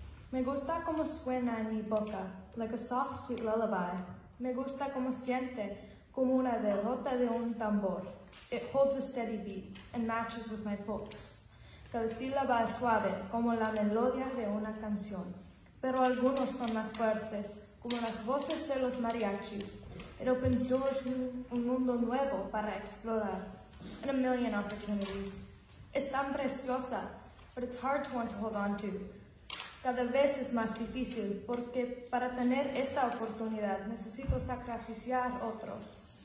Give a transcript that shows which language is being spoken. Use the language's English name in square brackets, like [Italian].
[Spanish] Me gusta como suena en mi boca, [English] like a soft, sweet lullaby. [Spanish] Me gusta como siente, como una derrota de un tambor. [English] It holds a steady beat and matches with my pulse. [Spanish] Cada sílaba es suave, como la melodía de una canción. Pero algunos son más fuertes, como las voces de los mariachis. [English] It opens doors to [Spanish] un mundo nuevo para explorar. [English] and a million opportunities. [Spanish] Es tan preciosa, [English] but it's hard to want to hold on to. [Spanish] Cada vez es más difícil, porque para tener esta oportunidad necesito sacrificar otros.